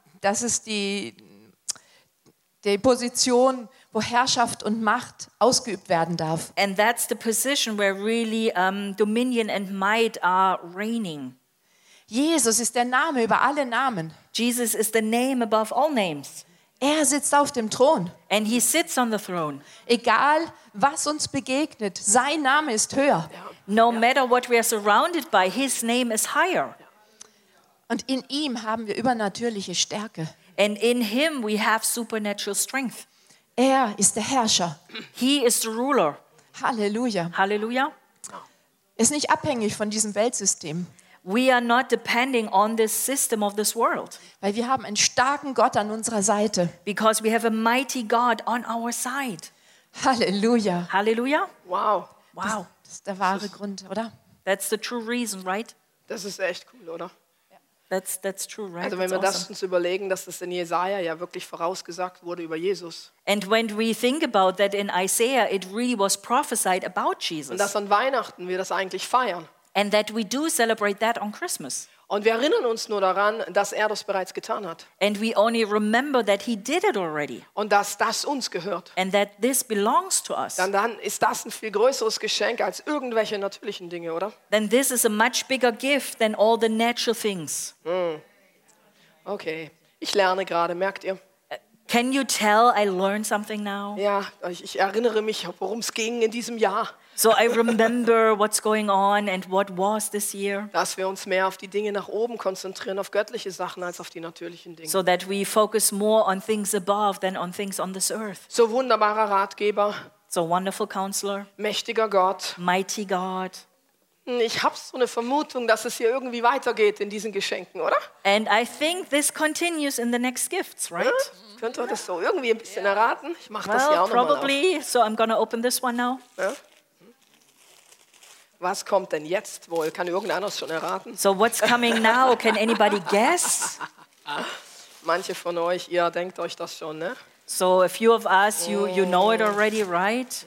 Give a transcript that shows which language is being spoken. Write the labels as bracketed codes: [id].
[de] Das ist die Position, wo Herrschaft und Macht ausgeübt werden darf. [en] And that's the position where really dominion and might are reigning. [de] Jesus ist der Name über alle Namen. [en] Jesus is the name above all names. [de] Er sitzt auf dem Thron. [en] And he sits on the throne. [de] Egal, was uns begegnet, sein Name ist höher. [en] Yeah. No matter what we are surrounded by, his name is higher. [de] Und in ihm haben wir übernatürliche Stärke. [en] And in him we have supernatural strength. [de] Er ist der Herrscher. [en] He is the ruler. [de] Halleluja. [en] Halleluja. [de] Ist nicht abhängig von diesem Weltsystem. [en] We are not depending on this system of this world. [de] Weil wir haben einen starken Gott an unserer Seite. [en] Because we have a mighty God on our side. [de] Halleluja. [en] Halleluja. Wow. Wow. [de] Das ist der wahre Grund, oder? [en] That's the true reason, right? [de] Das ist echt cool, oder? [en] That's true, right? [de] Also wenn [en] that's [de] wir awesome. Das uns überlegen, dass das in Jesaja ja wirklich vorausgesagt wurde über Jesus. [en] And when we think about that in Isaiah, it really was prophesied about Jesus. [de] Und dass an Weihnachten wir das eigentlich feiern. [en] And that we do celebrate that on Christmas. [de] Und wir erinnern uns nur daran, dass er das bereits getan hat. [en] And we only remember that he did it already. [de] Und dass das uns gehört. [en] And that this belongs to us. [de] Dann ist das ein viel größeres Geschenk als irgendwelche natürlichen Dinge, oder? [en] Then this is a much bigger gift than all the natural things. [de] Mm. Okay, ich lerne gerade, merkt ihr? [en] Can you tell I learned something now? [de] Ja, ich erinnere mich, worum es ging in diesem Jahr. [en] So I remember what's going on and what was this year. [de] Dass wir uns mehr auf die Dinge nach oben konzentrieren, auf göttliche Sachen als auf die natürlichen Dinge. [en] So that we focus more on things above than on things on this earth. [de] So wunderbarer Ratgeber. [en] So wonderful counselor. [de] Mächtiger Gott. [en] Mighty God. [de] Ich habe so eine Vermutung, dass es hier irgendwie weitergeht in diesen Geschenken, oder? [en] And I think this continues in the next gifts, right? [de] Ja? Könnt ihr das so irgendwie ein bisschen erraten? Ich mache das hier auch nochmal. [en] Probably. So I'm gonna open this one now. [de] Ja? Was kommt denn jetzt wohl? Kann irgendeiner schon erraten? [en] So what's coming now? Can anybody guess? [de] Manche von euch, ihr denkt euch das schon, ne? [en] So a few of us, you know it already, right?